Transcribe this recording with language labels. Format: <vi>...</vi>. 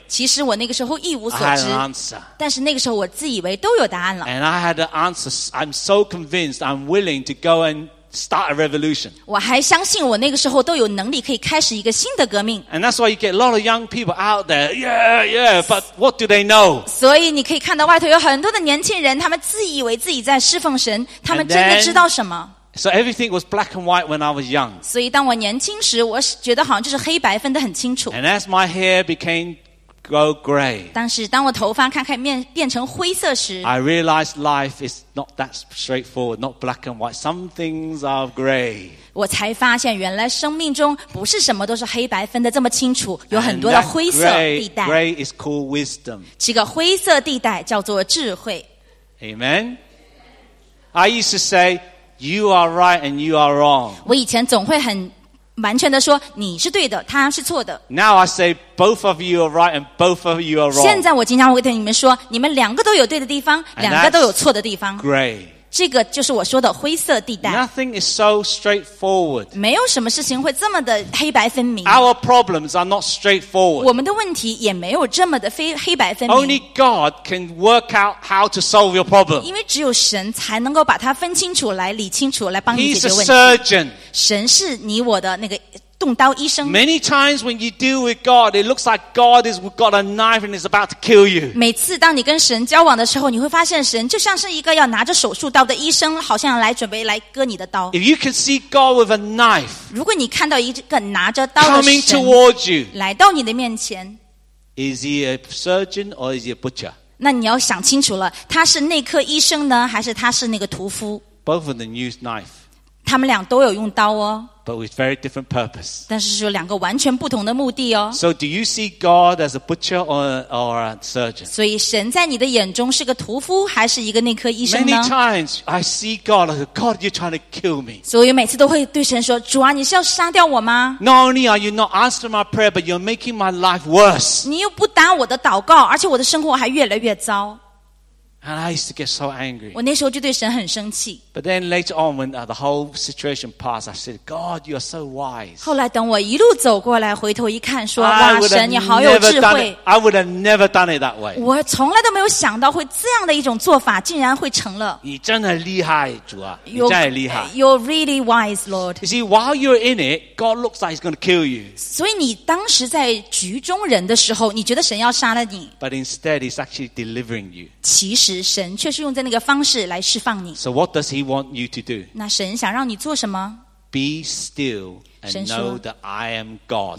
<zh>其实我那个时候一无所知。</zh> <en>I had an answer.</en> <zh>但是那个时候我自以为都有答案了。</zh> <en>And I had an answer. I'm so convinced. I'm willing to go and. Start a revolution.</en> <zh>我还相信我那个时候都有能力可以开始一个新的革命。</zh> <en>And that's why you get a lot of young people out there. But what do they know?</en> <zh>所以你可以看到外头有很多的年轻人，他们自以为自己在侍奉神，他们真的知道什么？</zh> <en>So everything was black and white when I was young.</en> <zh>所以当我年轻时，我觉得好像就是黑白分得很清楚。</zh> <en>And as my hair became grow gray,</en> <zh>但是当我头发看看变成灰色时</zh> <en>I realized life is not that straightforward, not black and white. Some things are gray.</en> <zh>我才发现原来生命中不是什么都是黑白分得这么清楚，有很多的灰色地带。</zh> <en>Gray is called wisdom.</en> <zh>这个灰色地带叫做智慧。</zh> <en>Amen. I used to say, you are right and you are wrong.</en> <zh>我以前总会很完全的说你是对的他是错的</zh> <en>Now I say both of you are right and both of you are wrong</en> <zh>现在我经常会对你们说你们两个都有对的地方两个都有错的地方</zh> <en>Gray</en> <zh>这个就是我说的灰色地带</zh> <en>Nothing is so straightforward</en> <zh>没有什么事情会这么的黑白分明</zh> <en>Our problems are not straightforward</en> <zh>我们的问题也没有这么的黑白分明</zh> <en>Only God can work out how to solve your problem</en> <zh>因为只有神才能够把它分清楚来理清楚来帮你解决问题</zh> <en>He's a surgeon</en> <zh>神是你我的那个动刀医生。</zh> <en>Many times when you deal with God, it looks like God has got a knife and is about to kill you.</en> <zh>每次当你跟神交往的时候，你会发现神就像是一个要拿着手术刀的医生，好像来准备来割你的刀。</zh> <en>If you can see God with a knife,</en> <zh>如果你看到一个拿着刀的神</zh> <en>coming towards you,</en> <zh>来到你的面前</zh> <en>，is he a surgeon or is he a butcher?</en> <zh>那你要想清楚了，他是内科医生呢，还是他是那个屠夫</zh> <en>？Both of them use knife.</en> <zh>他们俩都有用刀哦</zh> <en>But with very different purpose.</en> <zh>但是有两个完全不同的目的哦</zh> <en>So do you see God as a butcher or a surgeon?</en> <zh>所以神在你的眼中是个屠夫还是一个内科医生呢</zh> <en>Many times I see God like, God you're trying to kill me.</en> <zh>所以每次都会对神说主啊你是要杀掉我吗</zh> <en>Not only are you not answering my prayer but you're making my life worse.</en> <zh>你又不答我的祷告而且我的生活还越来越糟</zh> <en>And I used to get so angry.</en> <zh>我那时候就对神很生气。</zh> <en>But then later on, when the whole situation passed, I said, "God, you are so wise."</en> <zh>后来等我一路走过来，回头一看，说：“哇，神，你好有智慧。</zh> <en>”I would have never done it that way.</en> <zh>我从来都没有想到会这样的一种做法，竟然会成了。你真的厉害，主啊！你真的厉害。</zh> <en>You're really wise, Lord. You see, while you're in it, God looks like He's going to kill you.</en> <zh>所以你当时在局中人的时候，你觉得神要杀了你。</zh> <en>But instead, He's actually delivering you.</en> <zh>其实神却是用在那个方式来释放你。</zh> <en>So what does he want you to do?</en> <zh>那神想让你做什么</zh> <en>？Be still and know that I am God.</en>